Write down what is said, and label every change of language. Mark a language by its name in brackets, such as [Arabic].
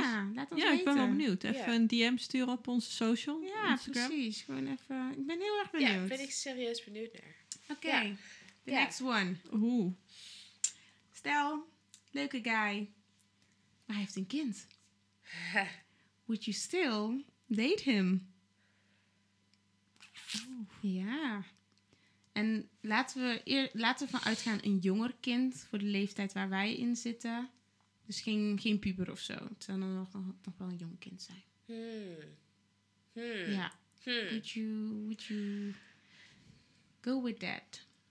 [Dutch] Ja, laat ons weten. Ja, ik ben wel benieuwd. Even een DM sturen op onze social. Ja, Instagram. Precies. Gewoon even. Ik ben heel erg benieuwd. Ja, ben ik serieus benieuwd naar. [English] Oké, next one. [Dutch] Hoe? Stel, leuke guy, maar hij heeft een kind. [English] Would you still date him? [Dutch] Ja. En laten we vanuit gaan een jonger kind voor de leeftijd waar wij in zitten. Dus geen puber of zo. Het zou dan nog wel een jong kind zijn. Hmm. [English] Ja. Hmm. Would you go with that?